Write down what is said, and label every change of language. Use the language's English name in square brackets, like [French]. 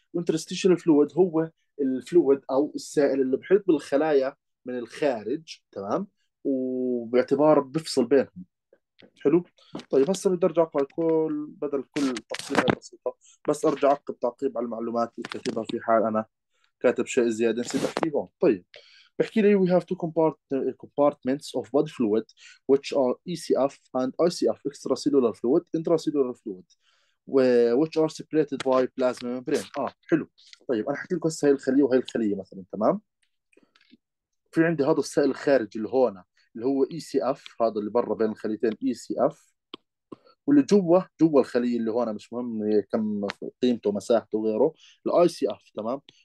[Arabic] وانترستيشال فلويد هو الفلويد او السائل اللي بحيط بالخلايا من الخارج، تمام، وباعتبار بفصل بينهم. حلو. طيب هسه بدي ارجع اقرا كل بدل كل تفصيله بسيطه، بس ارجع اعقب تعقيب على المعلومات اللي كتبها في حال انا كاتب شيء زياده نسيت احكيه هون. طيب بحكي لي [English] we have two compartments of body fluid which are ECF and ICF, extracellular fluid, intracellular fluid, which are separated by plasma membrane. [Arabic] حلو. طيب انا حكي لكم هسه هاي الخليه وهي الخليه مثلا، تمام. في عندي هذا السائل الخارجي اللي هون اللي هو ECF، هذا اللي برا بين الخليتين ECF، واللي جوا الخليه اللي هون مش مهم كم قيمته مساحته وغيره الICF، تمام.